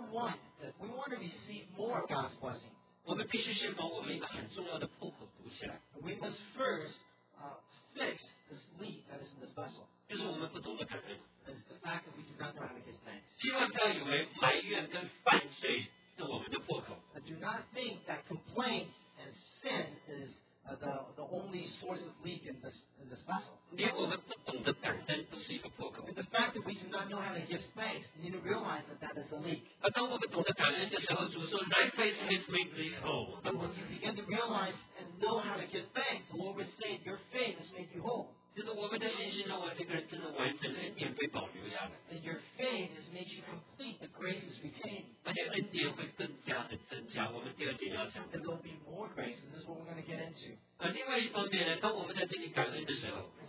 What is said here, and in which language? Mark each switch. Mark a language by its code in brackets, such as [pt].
[en] one, that we want to receive more God's blessings. [zh] 我们必须先把我们一个很重要的破口补起来。 [en] We must first fix this leak that is in this vessel. [zh] 就是我们不懂得感恩。千万不要以为埋怨跟犯罪是我们的破口。 [en] Do not think that complaints and sin is the only source of leak in this vessel. [zh] 因为我们不懂得感恩不是一个破口。 [en] The fact that we do not know how to give thanks, we need to realize that is a leak. [zh] 当我们懂得感恩的时候，主说， [en] Thy faith has made thee whole. But when you begin to realize and know how to give thanks, the Lord will say, your faith has made you whole. [zh] 就是我们的信心让我这个人真的完整，恩典被保留下来。 [en] And your faith has made you complete, the grace is retained. [zh] 而且恩典会更加的增加，我们第二点要讲。 [en] And there'll be more grace, and this is what we're going to get into. [zh] 另外一方面呢，当我们在这里感恩的时候。 [en] And